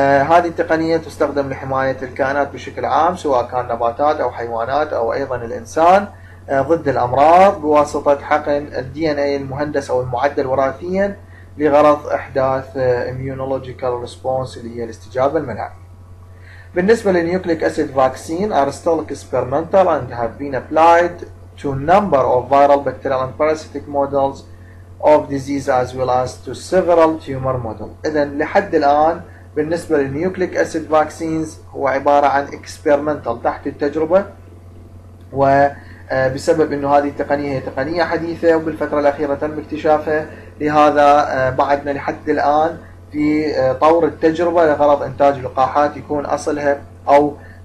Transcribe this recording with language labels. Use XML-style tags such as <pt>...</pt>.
<ar>هذه التقنيه تستخدم لحمايه الكائنات بشكل عام سواء كان نباتات او حيوانات او ايضا الانسان ضد الامراض بواسطه حقن الدي ان اي المهندس او المعدل وراثيا لغرض احداث</ar> <en>immunological response</en> <ar>اللي هي الاستجابه المناعيه. بالنسبة للنيوكليك أسيد فاكسين</ar> <en>are still experimental and have been applied to a number of viral bacterial and parasitic models of disease as well as to several tumor models.</en> <ar>إذن لحد الآن بالنسبة للنيوكليك أسيد vaccines هو عبارة عن experimental تحت التجربة، وبسبب أنه هذه التقنية هي تقنية حديثة وبالفترة الأخيرة تم اكتشافها، لهذا بعدنا لحد الآن في طور التجربة لغرض إنتاج لقاحات يكون أصلها أو</ar>